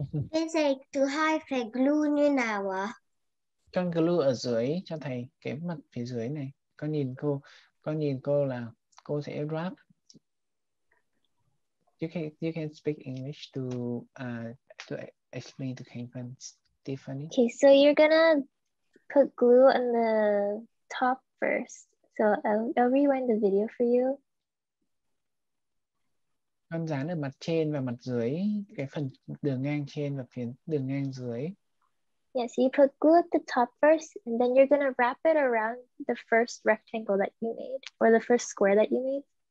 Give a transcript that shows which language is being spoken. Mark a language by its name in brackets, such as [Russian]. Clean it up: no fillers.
[Vietnamese] Bên này thứ hai phải glue như nào ạ? Con glue ở dưới cho thầy cái mặt phía dưới này. Con nhìn cô là cô sẽ [English] wrap you can speak English to explain to Kevin's definition. Okay, so you're gonna put glue on the top first. So I'll rewind the video for you. [Vietnamese] Con dán ở mặt trên và mặt dưới, cái phần đường ngang trên và phía đường ngang dưới. [English] Yeah, so you put glue at the top first, and then you're gonna wrap it around the first rectangle that you made, or the first square that you made.